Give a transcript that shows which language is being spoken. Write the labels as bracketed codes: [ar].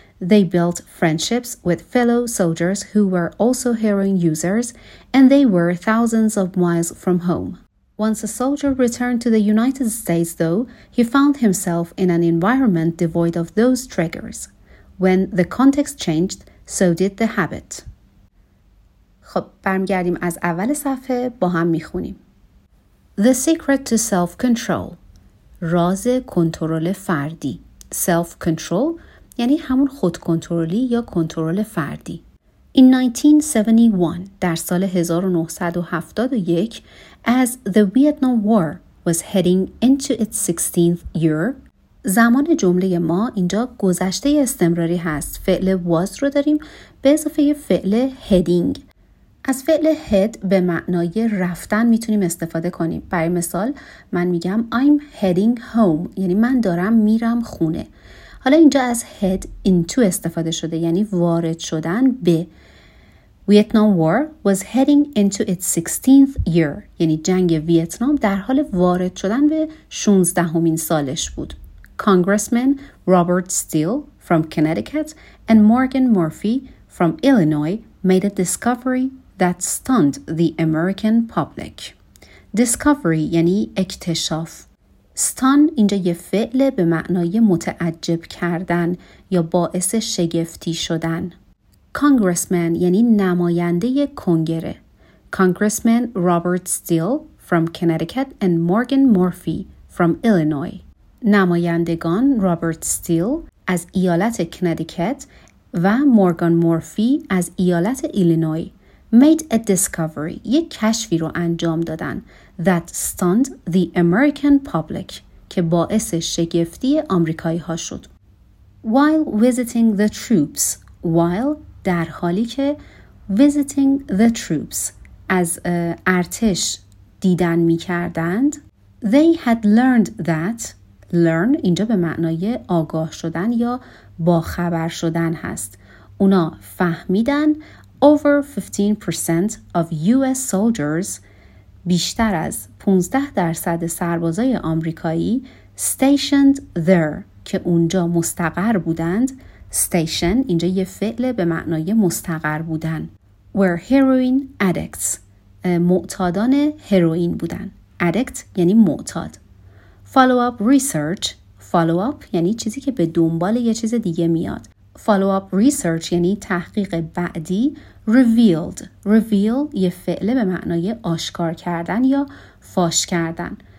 [en] They built friendships with fellow soldiers who were also heroin users, and they were thousands of miles from home. Once a soldier returned to the United States, though, he found himself in an environment devoid of those triggers. When the context changed, so did the habit. [fa] خب برمیگردیم از اول صفحه با هم میخونیم. [en] The Secret to Self-Control. [fa] راز کنترل فردی. Self-control یعنی همون خودکنترلی یا کنترل فردی. [en] In 1971, [fa] در سال 1971, [en] as the Vietnam War was heading into its 16th year, [fa] زمان جمله ما اینجا گذشته استمراری هست. فعل was رو داریم به اضافه فعل heading. از فعل head به معنای رفتن میتونیم استفاده کنیم. برای مثال من میگم [en] I'm heading home، [fa] یعنی من دارم میرم خونه. حالا اینجا از head into استفاده شده، یعنی وارد شدن به. [en] Vietnam War was heading into its 16th year، [fa] یعنی جنگ ویتنام در حال وارد شدن به 16th سالش بود. [en] Congressman Robert Steele from Connecticut and Morgan Murphy from Illinois made a discovery that stunned the American public. [fa] Discovery یعنی اکتشاف. Stun اینجا یه فعل به معنای متعجب کردن یا باعث شگفتی شدن. Congressman یعنی نماینده کنگره. [en] Congressman Robert Steele from Connecticut and Morgan Murphy from Illinois. [fa] نمایندگان رابرت استیل از ایالت کنیدیکت و مورگان مورفی از ایالت ایلینوی [en] made a discovery، [fa] یک کشفی رو انجام دادن، [en] that stunned the American public، [fa] که باعث شگفتی آمریکایی ها شد. [en] While visiting the troops، [fa] while در حالی که [en] visiting the troops [fa] از ارتش دیدن می کردند، [en] they had learned that، [fa] learn اینجا به معنای آگاه شدن یا باخبر شدن هست. اونا فهمیدن [en] Over 15% of US soldiers، [fa] بیشتر از 15% سربازای آمریکایی [en] stationed there، [fa] که اونجا مستقر بودند. Station اینجا یه فعل به معنای مستقر بودن. [en] Were heroin addicts، [fa] معتادان هروئین بودن. Addict یعنی معتاد. Follow-up research، follow-up یعنی چیزی که به دنبال یه چیز دیگه میاد. [en] follow-up research [fa] یعنی تحقیق بعدی، reveal یه فعله به معنای آشکار کردن یا فاش کردن.